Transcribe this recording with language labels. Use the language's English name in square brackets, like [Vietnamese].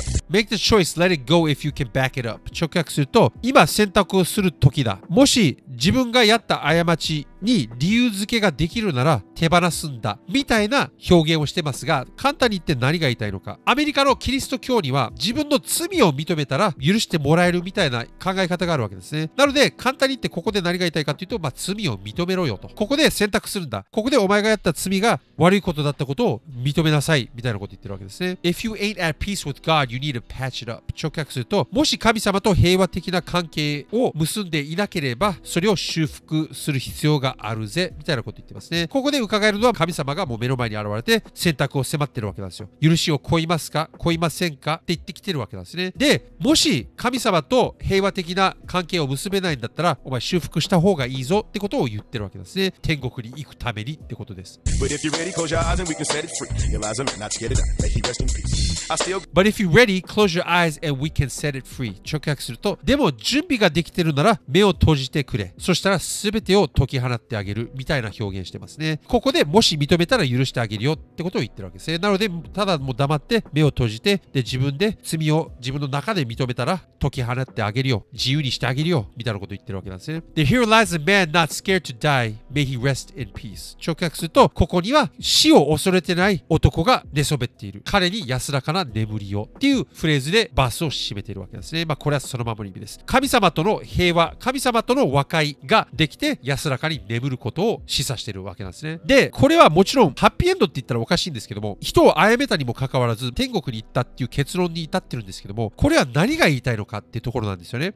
[English] Make the choice, let it go if you can back it up. [Japanese] 直訳すると、今選択をする時だ。もし自分がやった過ちに理由付けができるなら手放すんだみたいな表現をしてますが、簡単に言って何が言いたいのか。アメリカのキリスト教には自分の罪を認めたら許してもらえるみたいな考え方があるわけですね。なので簡単に言ってここで何が言いたいかというと、まあ罪を認めろよと。ここで選択するんだ。ここでお前がやった罪が悪いことだったことを認めなさいみたいなこと言ってるわけですね。 [English] If you ain't at peace with God, you need to patch it up. [Japanese] 直訳すると、もし神様と平和的な関係を結んでいなければそれを修復する必要があるぜみたいなこと言ってますね。ここで伺えるのは、神様がもう目の前に現れて選択を迫ってるわけなんですよ。許しを乞いますか乞いませんかって言ってきてるわけなんですね。で、もし神様と平和的な関係を結べないんだったら、お前修復した方がいいぞってことを言ってるわけなんですね。天国に行くためにってことです。 [English] But if you're ready, close your eyes and we can set it free. Eliza might not get it up. May he rest in peace. But if you're ready, close your eyes and we can set it free. [Japanese] 直訳すると、でも準備ができてるなら目を閉じてくれ。そしたら全てを解き放ってあげるみたいな表現してますね。ここでもし認めたら許してあげるよってことを言ってるわけですね。なので、ただもう黙って目を閉じて、で自分で罪を自分の中で認めたら解き放ってあげるよ。自由にしてあげるよみたいなことを言ってるわけなんですね。 [English] The here lies a man not scared to die. May he rest in peace. [Japanese] 直訳すると、ここには死を恐れてない男が寝そべっている。彼に安らかな眠りをっていうフレーズでバスを締めているわけですね。まあこれはそのままの意味です。神様との平和、神様との和解ができて安らかに眠ることを示唆してるわけなんですね。でこれはもちろんハッピーエンドって言ったらおかしいんですけども、人を殺めたにもかかわらず天国に行ったっていう結論に至ってるんですけども、これは何が言いたいのかってところなんですよね。